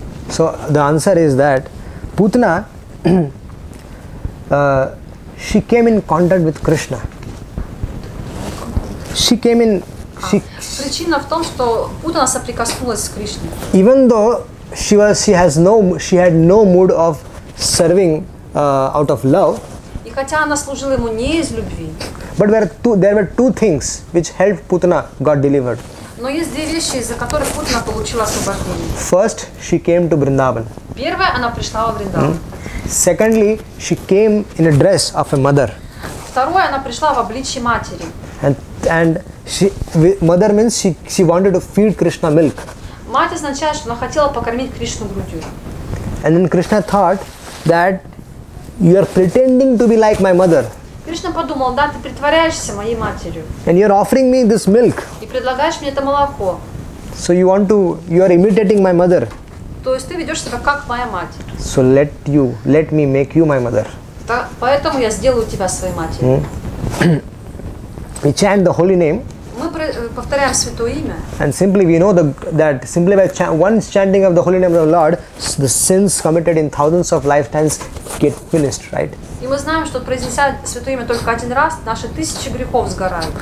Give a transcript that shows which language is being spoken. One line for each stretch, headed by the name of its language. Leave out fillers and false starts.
English: So the answer is that Putana she came in contact with Krishna. She came in.
Russian: Причина в том, что Путана соприкоснулась с Кришной.
English: Even though she had no mood of serving out of love.
Russian: И хотя она служила ему не из любви.
English: But there were two things which helped Putana got delivered.
Russian: Но есть две вещи, из-за которых Путана получила освобождение.
English: First, she came to Vrindavan.
Russian: Первое, она пришла во Вриндаван.
English: Secondly, she came in a dress of a mother.
Russian: Второе, она пришла в обличье матери.
English: And mother means she wanted to feed Krishna milk.
Russian: Мать означает, что она хотела покормить Кришну грудью.
English: And then Krishna thought that you are pretending to be like my mother.
Russian: Кришна подумал, да, ты притворяешься моей матерью.
English: And you are offering me this milk.
Russian: И предлагаешь мне это молоко.
English: So you are imitating my mother.
Russian: То есть ты ведешь себя как моя мать.
English: So let me make you my mother.
Russian: Поэтому я сделаю тебя своей матерью.
English: We chant the holy name.
Russian: Мы повторяем святое имя.
English: And simply we know that simply by once chanting of the holy name of the Lord, the sins committed in thousands of lifetimes get finished, right?
Russian: И мы знаем, что произнеся святое имя только один раз, наши тысячи грехов сгорают.